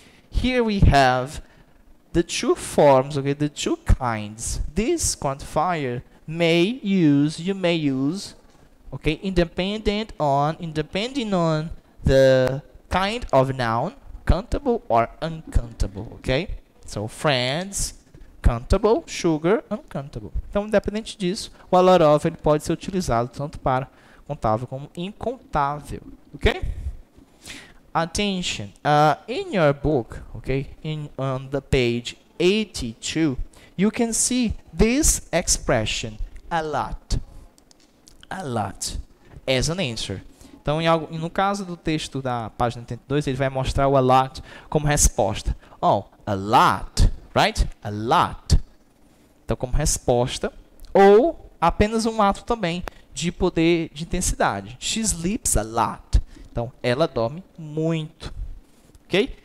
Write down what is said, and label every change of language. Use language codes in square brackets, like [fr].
[en] Here we have the two forms, okay, the two kinds. This quantifier you may use, okay, depending on the kind of noun, countable or uncountable, okay? So, friends, countable, sugar, uncountable. [pt] Então, independente disso, o a lot of ele pode ser utilizado tanto para contável como incontável, okay? [en] Attention, in your book, okay, on the page 82, you can see this expression, a lot, as an answer. [pt] Então, no caso do texto da página 82, ele vai mostrar o a lot como resposta. [en] Oh, a lot, right? A lot. [pt] Então, como resposta, ou apenas um ato também de poder de intensidade. [en] She sleeps a lot. [pt] Então, ela dorme muito. Ok?